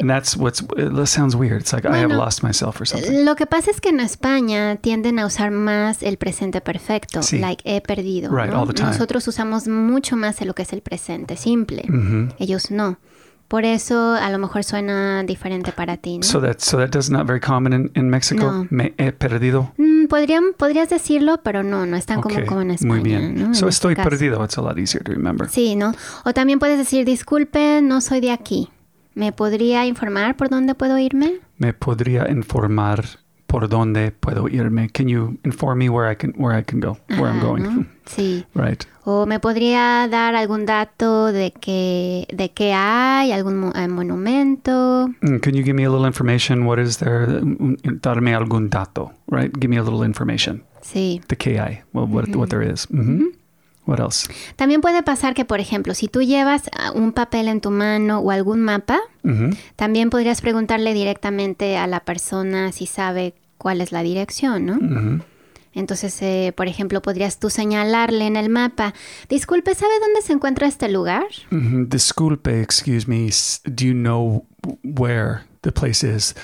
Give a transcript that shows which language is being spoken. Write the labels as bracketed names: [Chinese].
[English] And that's what's, that sounds weird. It's like, [Spanish] bueno, [English] I have lost myself or something. [Spanish] Lo que pasa es que en España tienden a usar más el presente perfecto, sí. Like he perdido. [English] Right, [Spanish] ¿no? [English] All the time. [Spanish] Nosotros usamos mucho más de lo que es el presente simple. Mm-hmm. Ellos no. Por eso, a lo mejor suena diferente para ti, ¿no? [English] So that does not very common in Mexico. [Spanish] No. Me he perdido. Podrías decirlo, pero no es tan [English] okay. [Spanish] como en España. Muy bien. ¿No? [English] So [Spanish] estoy este perdido. [English] It's a lot easier to remember. [Spanish] Sí, ¿no? O también puedes decir, disculpe, no soy de aquí. ¿Me podría informar por dónde puedo irme? Me podría informar por dónde puedo irme. [English] Can you inform me where I can go? Where I'm going? [Spanish] ¿No? Sí. [English] Right. [Spanish] O me podría dar algún dato de qué hay, algún monumento. [English] Can you give me a little information? What is there? [Spanish] Darme algún dato, [English] right? Give me a little information. [Spanish] Sí. [English] The [Spanish] qué hay, [English] well, what, mm-hmm. what there is. Mm-hmm. Mm-hmm. What else? [Spanish] También puede pasar que, por ejemplo, si tú llevas un papel en tu mano o algún mapa, mm-hmm. también podrías preguntarle directamente a la persona si sabe cuál es la dirección, ¿no? Mm-hmm. Entonces, por ejemplo, podrías tú señalarle en el mapa, disculpe, ¿sabe dónde se encuentra este lugar? Mm-hmm. Disculpe, [English] excuse me, do you know where the place is?